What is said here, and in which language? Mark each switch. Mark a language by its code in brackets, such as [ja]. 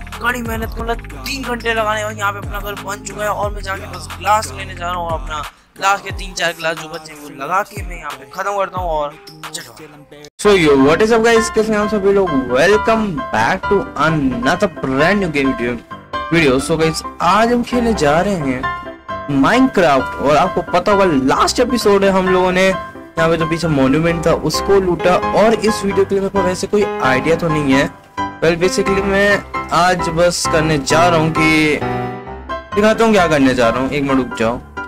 [hi] कड़ी मेहनत मतलब 3 घंटे लगाने और यहाँ पे अपना घर बन चुका है। और मैं जाके बस ग्लास लेने जा रहा हूँ, अपना ग्लास के 3-4 ग्लास जो बचे वो लगा के मैं यहाँ पे खत्म करता हूँ और चलो। [en] So yo, what is up guys? [hi] कैसे हैं आप सभी लोग? [en] Welcome back to another brand new game video. So guys, [hi] आज हम खेलने जा रहे हैं Minecraft. और आपको पता होगा लास्ट एपिसोड है हम लोगों ने यहाँ पे जो पीछे मॉन्यूमेंट था उसको लूटा। और इस वीडियो के लिए मेरे को वैसे कोई आइडिया तो नहीं है। वेल बेसिकली मैं आज बस करने जा रहा हूँ कि दिखाता हूँ क्या करने जा रहा हूँ, एक मिनट रुक जाओ।